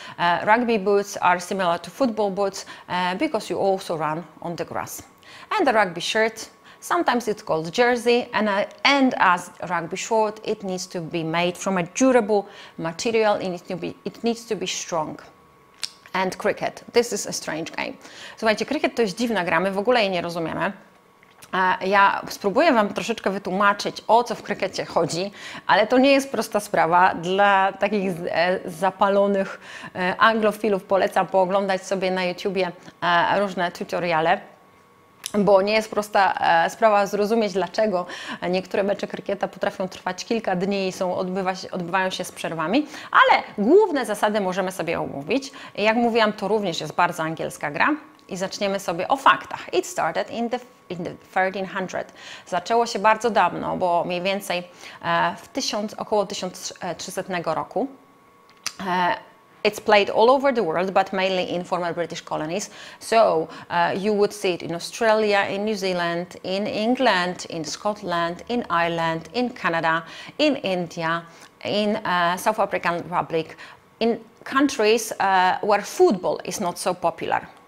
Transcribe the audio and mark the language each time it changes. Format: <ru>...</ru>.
<en>Rugby boots are similar to football boots because you also run on the grass. And the rugby shirt, sometimes it's called jersey, and as rugby short, it needs to be made from a durable material, it needs to be strong. And cricket, this is a strange game.</en> <pl>Słuchajcie, cricket to jest dziwna gra, my w ogóle jej nie rozumiemy. Ja spróbuję wam troszeczkę wytłumaczyć, o co w krykecie chodzi, ale to nie jest prosta sprawa. Dla takich zapalonych anglofilów polecam pooglądać sobie na YouTubie różne tutoriale. Bo nie jest prosta sprawa zrozumieć, dlaczego niektóre mecze krykieta potrafią trwać kilka dni i odbywają się z przerwami, ale główne zasady możemy sobie omówić. Jak mówiłam, to również jest bardzo angielska gra i zaczniemy sobie o faktach.</pl> <en>It started in the 1300.</en> <pl>Zaczęło się bardzo dawno, bo mniej więcej około 1300 roku.</pl> <en>It's played all over the world, but mainly in former British colonies. So you would see it in Australia, in New Zealand, in England, in Scotland, in Ireland, in Canada, in India, in South African Republic, in countries where football is not so popular.</en>